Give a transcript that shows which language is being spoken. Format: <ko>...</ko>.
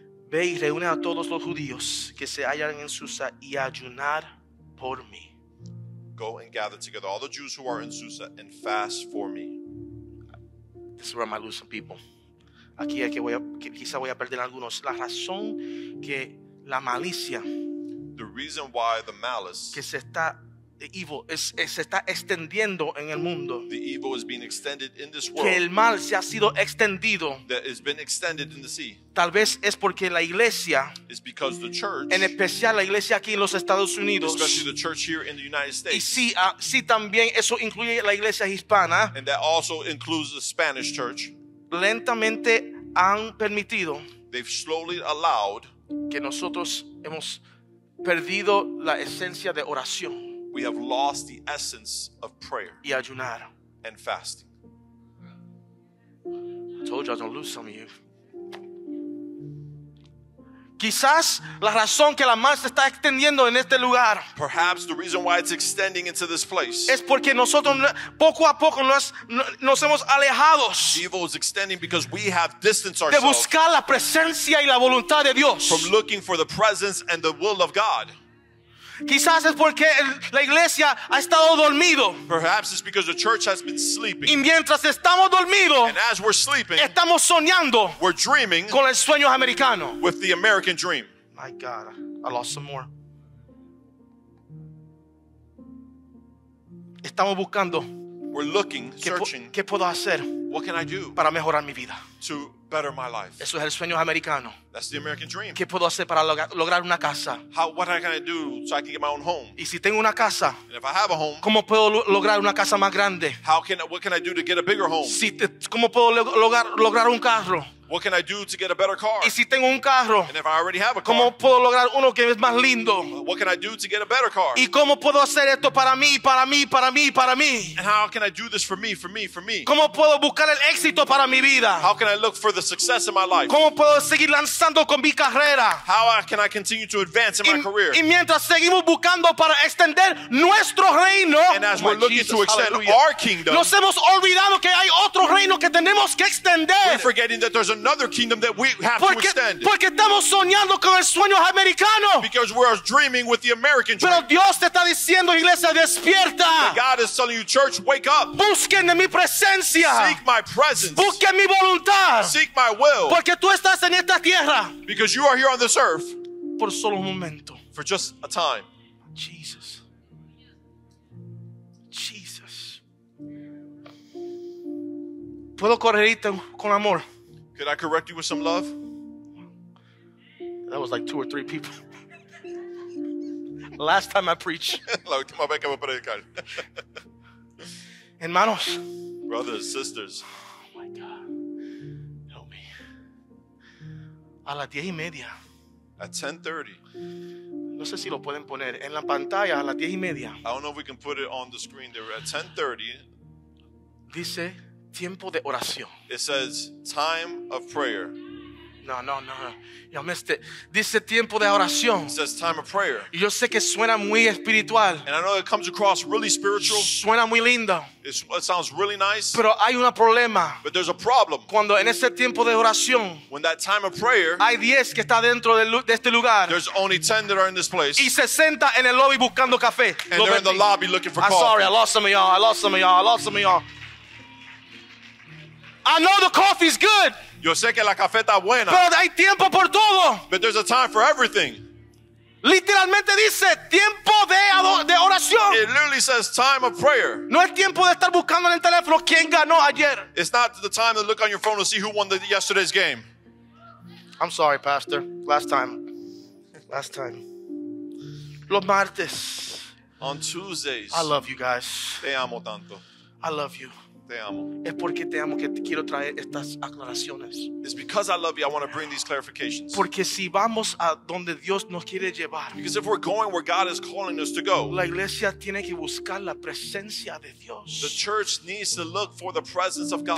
<es>Ve y reúne a todos los judíos que se hallan en Susa y ayunar por mí.</es> <en>Go and gather together all the Jews who are in Susa and fast for me. This is where I might lose some people.</en> <es>Aquí es que voy a, quizá voy a perder algunos. La razón que la malicia,</es> <en>the reason why the malice,</en> <es>que se está,</es> <en>the evil,</en> <es>se está extendiendo en el mundo.</es> <en>The evil is being extended in this world.</en> <es>Que el mal se ha sido extendido.</es> <en>That has been extended in the sea.</en> <es>Tal vez es porque la iglesia,</es> <en>it's because the church,</en> <es>en especial la iglesia aquí en los Estados Unidos,</es> <en>especially the church here in the United States,</en> <es>y sí también eso incluye la iglesia hispana,</es> <en>and that also includes the Spanish church,</en> <es>lentamente han permitido,</es> <en>they've slowly allowed,</en> <es>que nosotros hemos perdido la esencia de oración.</es> <en>We have lost the essence of prayer</en> <es>y ayunar.</es> <en>And fasting. I told you I don't lose some of you.</en> <es>Quizás la razón que la mal se está extendiendo en este lugar.</es> <en>Perhaps the reason why it's extending into this place.</en> <es>Es porque nosotros poco a poco nos hemos alejado.</es> <en>Evil is extending because we have distanced ourselves.</en> <es>De buscar la presencia y la voluntad de Dios.</es> <en>From looking for the presence and the will of God.</en> <es>Quizás es porque la iglesia ha estado dormido.</es> <en>Perhaps it's because the church has been sleeping.</en> <es>Y mientras estamos dormidos,</es> <en>and as we're sleeping,</en> <es>estamos soñando,</es> <en>we're dreaming,</en> <es>con el sueño americano,</es> <en>with the American dream. My God, I lost some more.</en> <es>Estamos buscando,</es> <en>we're looking, searching,</en> <es>qué puedo hacer,</es> <en>what can I do,</en> <es>para mejorar mi vida,</es> <en>to better my life.</en> <es>Eso es el sueño americano.</es> <en>That's the American dream.</en> <es>¿Qué puedo hacer para lograr una casa?</es> <en>How, what can I do so I can get my own home?</en> <es>Y si tengo una casa,</es> <en>and if I have a home,</en> <es>¿cómo puedo lograr una casa más grande?</es> <en>How can, what can I do to get a bigger home?</en> <es>Si te, ¿cómo puedo lograr un carro?</es> <en>What can I do to get a better car?</en> <es>Y si tengo un carro,</es> <en>and if I already have a car,</en> <es>¿cómo puedo lograr uno que es más lindo?</es> <en>What can I do to get a better car?</en> <es>¿Y cómo puedo hacer esto para mí, para mí, para mí, para mí?</es> <en>And how can I do this for me, for me, for me?</en> <es>¿Cómo puedo buscar el éxito para mi vida?</es> <en>How can I look for the success in my life?</en> <es>¿Cómo puedo seguir lanzando con mi carrera?</es> <en>How can I continue to advance in my career?</en> <es>Y mientras seguimos buscando para extender nuestro reino,</es> <en>and as we're looking to extend our kingdom,</en> <es>nos hemos olvidado que hay otro reino que tenemos que extender.</es> <en>We're forgetting that there's another another kingdom that we have</en> <es>porque,</es> <en>to extend.</en> <es>Porque estamos soñando con el sueño americano.</es> <en>Because we are dreaming with the American dream.</en> <es>Pero Dios te está diciendo, iglesia, despierta.</es> <en>But God is telling you, church, wake up.</en> <es>Busquen de mi presencia.</es> <en>Seek my presence.</en> <es>Busquen mi voluntad.</es> <en>Seek my will.</en> <es>Porque tú estás en esta tierra.</es> <en>Because you are here on this earth.</en> <es>Por solo un momento.</es> <en>For just a time. Jesus.</en> <es>¿Puedo corregirte con amor?</es> <en>Could I correct you with some love? That was like two or three people. Last time I preached.</en> <es>La última vez que voy a predicar. Hermanos.</es> <en>Brothers, sisters. Oh my God. Help me.</en> <es>A las 10:30.</es> <en>At 10:30.</en> <es>No sé si lo pueden poner en la pantalla a las 10:30.</es> <en>I don't know if we can put it on the screen there. At 10:30.</en> <es>Dice... tiempo de oración.</es> <en>It says time of prayer.</en> <es>No. Yo me este dice tiempo de oración.</es> <en>It says time of prayer.</en> <es>Y yo sé que suena muy espiritual.</es> <en>And I know it comes across really spiritual.</en> <es>Suena muy lindo.</es> <en>It sounds really nice.</en> <es>Pero hay un problema.</es> <en>But there's a problem.</en> <es>Cuando en ese tiempo de oración,</es> <en>when that time of prayer,</en> <es>hay 10 que está dentro de este lugar.</es> <en>There's only 10 that are in this place.</en> <es>Y 60 en el lobby buscando café.</es> <en>And they're in the lobby looking for coffee. I'm sorry, I lost some of y'all. I know the coffee's good.</en> <es>Yo sé que la café está buena. Pero hay tiempo por todo.</es> <en>But there's a time for everything.</en> <es>Literalmente dice tiempo de oración.</es> <en>It literally says time of prayer.</en> <es>No es tiempo de estar buscando en el teléfono quién ganó ayer.</es> <en>It's not the time to look on your phone to see who won yesterday's game. I'm sorry, Pastor. Last time.</en> <es>Los martes.</es> <en>On Tuesdays. I love you guys.</en> <es>Te amo tanto.</es> <en>I love you.</en> <es>Es porque te amo que quiero traer estas aclaraciones.</es> <en>It's because I love you, I want to bring these clarifications.</en> <es>Porque si vamos a donde Dios nos quiere llevar.</es> <en>Because if we're going where God is calling us to go.</en> <es>La iglesia tiene que buscar la presencia de Dios.</es> <en>The church needs to look for the presence of God.</en>